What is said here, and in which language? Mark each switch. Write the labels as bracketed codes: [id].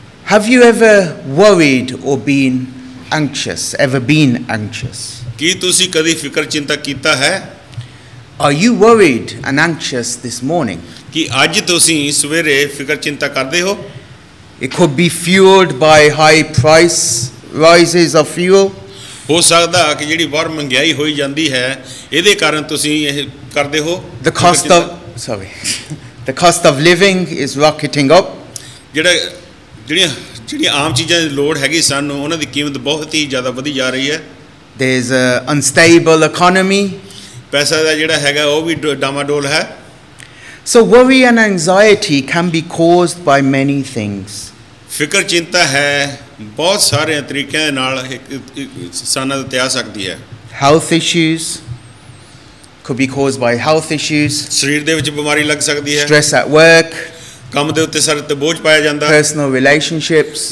[en] have you ever worried or been anxious, ever been anxious? [pa] ਕੀ ਤੁਸੀਂ ਕਦੀ ਫਿਕਰ ਚਿੰਤਾ ਕੀਤਾ ਹੈ? [en] Are you worried and anxious this morning? [pa] ਕੀ ਅੱਜ ਤੁਸੀਂ ਸਵੇਰੇ ਫਿਕਰ ਚਿੰਤਾ ਕਰਦੇ ਹੋ? [en] It could be fueled by high price rises of fuel. [pa] ਹੋ ਸਕਦਾ ਕਿ ਜਿਹੜੀ ਬਾਹਰ ਮਹਿੰਗਾਈ ਹੋਈ ਜਾਂਦੀ ਹੈ ਇਹਦੇ ਕਾਰਨ ਤੁਸੀਂ ਇਹ ਕਰਦੇ ਹੋ. [en] The cost of living is rocketing up. [pa] ਜਿਹੜੀਆਂ ਆਮ ਚੀਜ਼ਾਂ ਦੀ ਲੋੜ ਹੈਗੀ ਸਾਨੂੰ ਉਹਨਾਂ ਦੀ ਕੀਮਤ ਬਹੁਤ ਹੀ ਜ਼ਿਆਦਾ ਵਧੀ ਜਾ ਰਹੀ ਹੈ. [en] There is a unstable economy. [pa] ਪੈਸਾ ਦਾ ਜਿਹੜਾ ਹੈਗਾ ਉਹ ਵੀ ਡਾਮਾਡੋਲ ਹੈ. [en] So worry and anxiety can be caused by many things. [pa] ਫਿਕਰ ਚਿੰਤਾ ਹੈ ਬਹੁਤ ਸਾਰੇ ਤਰੀਕਿਆਂ ਦੇ ਨਾਲ ਸਾਨੂੰ ਤੇ ਆ ਸਕਦੀ ਹੈ. [en] health issues could be caused by health issues, [pa] ਸਰੀਰ ਦੇ ਵਿੱਚ ਬਿਮਾਰੀ ਲੱਗ ਸਕਦੀ ਹੈ. [en] stress at work, [pa] ਕੰਮ ਦੇ ਉੱਤੇ ਸਾਰੇ ਤੇ ਬੋਝ ਪਾਇਆ ਜਾਂਦਾ. [en] personal relationships,